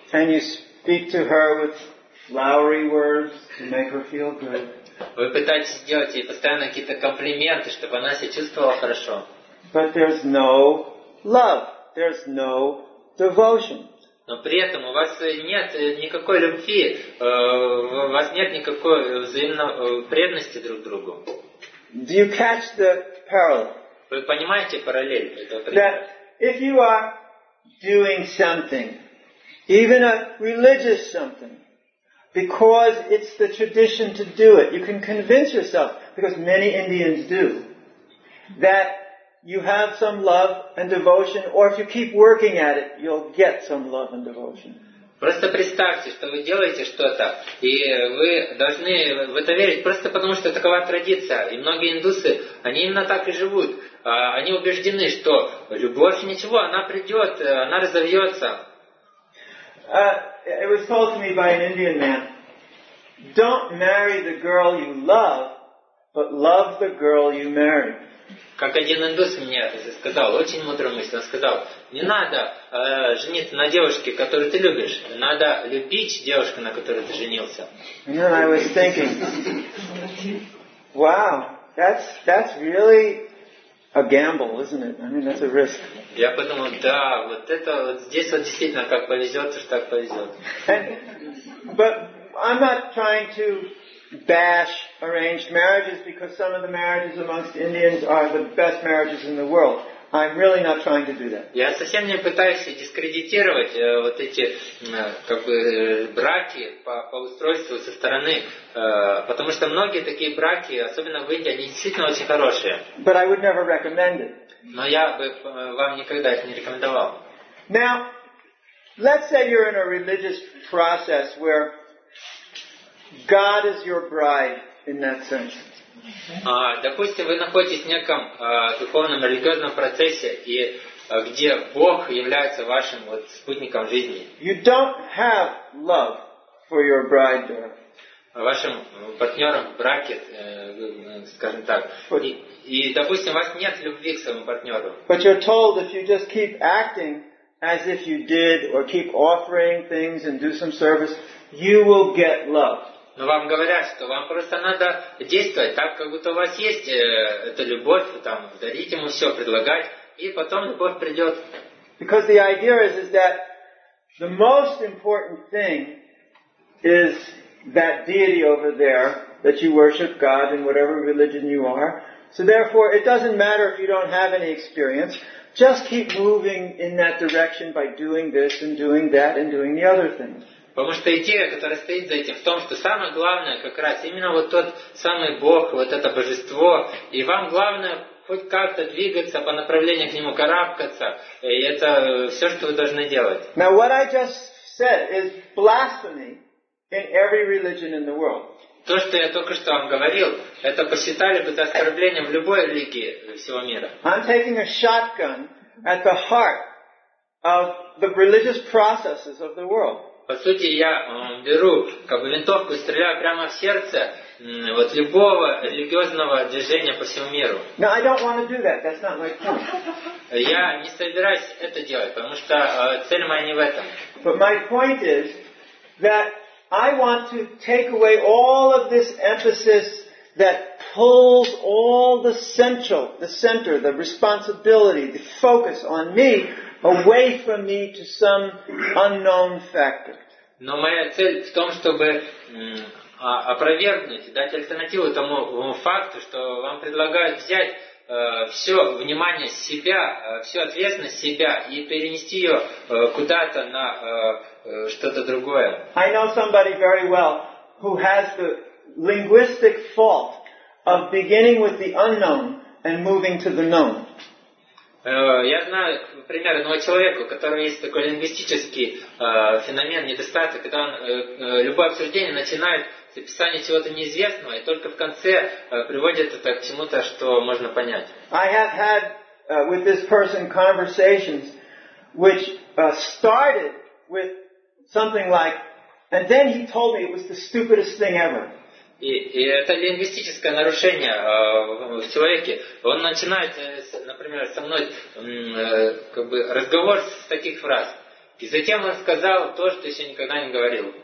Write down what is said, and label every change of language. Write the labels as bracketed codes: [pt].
[en] And you speak to her with flowery words to make her feel good. [ru] Вы пытаетесь сделать ей постоянно какие-то комплименты, чтобы она себя чувствовала хорошо. [en] But there's no love. There's no devotion. [ru] Но при этом у вас нет никакой любви, у вас нет никакой взаимной преданности друг другу. [en] Do you catch the parallel? [ru] Вы понимаете параллель этого примера? [en] That if you are doing something, even a religious something, because it's the tradition to do it, you can convince yourself, because many Indians do, that you have some love and devotion, or if you keep working at it, you'll get some love and devotion. [ru] Просто представьте, что вы делаете что-то, и вы должны в это верить, просто потому что такова традиция. И многие индусы, они именно так и живут. Они убеждены, что любовь ничего, она придет, она разовьется. [en] It was told to me by an Indian man, don't marry the girl you love, but love the girl you marry. [ru] Как один индус мне сказал, очень мудрую мысль, он сказал, не надо жениться на девушке, которую ты любишь, надо любить девушку, на которую ты женился. [en] And then I was thinking, wow, that's really a gamble, isn't it? I mean, that's a risk. [ru] Я подумал, да, вот это вот здесь вот действительно как повезет, уж так повезет. [en] But I'm not trying to bash arranged marriages because some of the marriages amongst Indians are the best marriages in the world. I'm really not trying to do that. [ru] Я совсем не пытаюсь дискредитировать вот эти как бы браки по устройству со стороны, потому что многие такие браки, особенно в Индии, они действительно очень хорошие. [en] But I would never recommend it. [ru] Но я бы вам никогда это не рекомендовал. [en] Now, let's say you're in a religious process where God is your bride in that sense. [ru] Допустим, вы находитесь в неком духовном религиозном процессе, и где Бог является вашим вот спутником жизни. [en] You don't have love for your bride there. [ru] Вашим партнером в браке, скажем так. И допустим, у вас нет любви к своему партнеру. [en] But you're told if you just keep acting as if you did, or keep offering things and do some service, you will get love. [ru] Но вам говорят, что вам просто надо действовать так, как будто у вас есть эта любовь, там, дарить ему все, предлагать, и потом любовь придет. [en] Because the idea is that the most important thing is that deity over there, that you worship God in whatever religion you are. So therefore, it doesn't matter if you don't have any experience. Just keep moving in that direction by doing this and doing that and doing the other things. [ru] Потому что идея, которая стоит за этим, в том, что самое главное как раз именно вот тот самый Бог, вот это божество, и вам главное хоть как-то двигаться по направлению к нему, карабкаться, и это все, что вы должны делать. [en] Now what I just said is blasphemy in every religion in the world. [ru] То, что я только что вам говорил, это посчитали бы за оскорбление в любой религии всего мира. [en] I'm taking a shotgun at the heart of the religious processes of the world. [ru] По сути, я беру как бы винтовку и стреляю прямо в сердце вот любого религиозного движения по всему миру. [en] No, I don't want to do that. That's not my point. [ru] Я не собираюсь это делать, потому что цель моя не в этом. [en] But my point is that I want to take away all of this emphasis that pulls all the central, the center, the responsibility, the focus on me away from me to some unknown factor. [ru] Но моя цель в том, чтобы опровергнуть, дать альтернативу тому факту, что вам предлагают взять все внимание с себя, всю ответственность себя и перенести ее куда-то на что-то другое. [en] I know somebody very well who has the linguistic fault of beginning with the unknown and moving to the known. [ru] Я знаю пример одного человека, у которого есть такой лингвистический феномен, недостаток, когда он любое обсуждение начинает с описания чего-то неизвестного и только в конце приводит это к чему-то, что можно понять. [en] I have had with this person conversations which started with something like, And then he told me it was the stupidest thing ever. [ru] И это лингвистическое нарушение в человеке. Он начинает, например, со мной как бы разговор с таких фраз. И затем он сказал то, что еще никогда не говорил.